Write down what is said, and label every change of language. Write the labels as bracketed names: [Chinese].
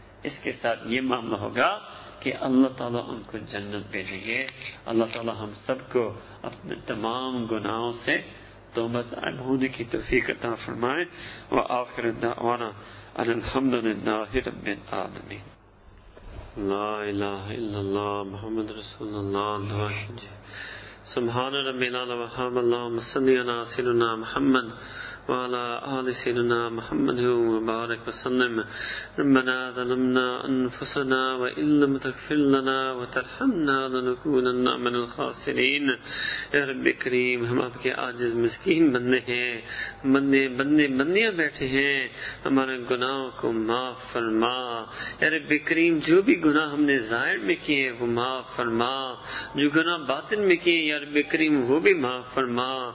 [Urdu] اس کے ساتھ یہ معاملہ ہوگا کہ اللہ تعالیٰ ان کو جنت بھیجے گے اللہ تعالیٰ ہم سب کو اپنے تمام گناہوں سے توبہ تائب ہونے کی توفیق عطا فرمائے [Arabic] وآخر دعوانا ان الحمدللہ رب العالمین لا الہ الا اللہ محمد رسول اللہ [Urdu] دعا کیجئے [Arabic] سبحان ربی العالی وحام اللہ مصلی علی سیدنا محمد وعلى آل سيدنا محمد وبارك وسلم. ربنا ظلمنا أنفسنا وإن لم تغفر لنا وترحمنا لنكونن من الخاسرين. يا رب كريم [Urdu] ہم آپ کے عاجز مسکین بندے ہیں, بندیاں بیٹھے ہیں, ہمارے گناہوں کو معاف فرما. اے رب کریم جو بھی گناہ ہم نے ظاہر میں کیے وہ معاف فرما, جو گناہ باطن میں کیے یا رب کریم وہ بھی معاف فرما.